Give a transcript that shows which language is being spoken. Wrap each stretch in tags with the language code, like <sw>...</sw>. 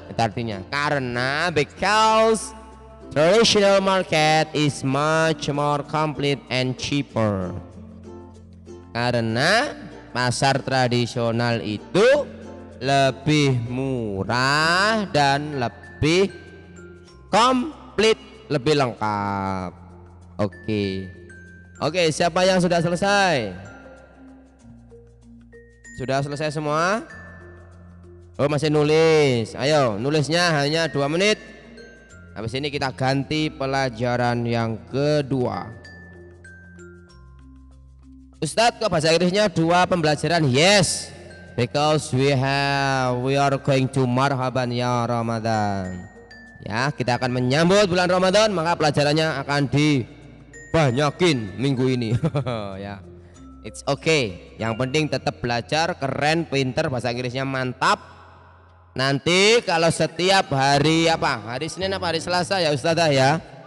<id>Itu artinya, karena</id> <en>because traditional market is much more complete and cheaper.</en> <id>Karena pasar tradisional itu lebih murah dan lebih komplit, lebih lengkap. Oke. Oke, siapa yang sudah selesai? Sudah selesai semua? Oh, masih nulis. Ayo, nulisnya hanya 2 menit. Habis ini kita ganti pelajaran yang kedua. Ustadz, kok bahasa Inggrisnya 2 pembelajaran?</id> <en>Yes. Because we are going to marhaban ya Ramadan.</en> <id>Ya, kita akan menyambut bulan Ramadan, maka pelajarannya akan dibanyakin minggu ini. Ya.</id> <en>It's okay.</en> <id>Yang penting tetap belajar, keren, pinter, bahasa Inggrisnya mantap. Nanti kalau setiap hari apa? Hari Senin apa hari Selasa ya, Ustazah ya.</id>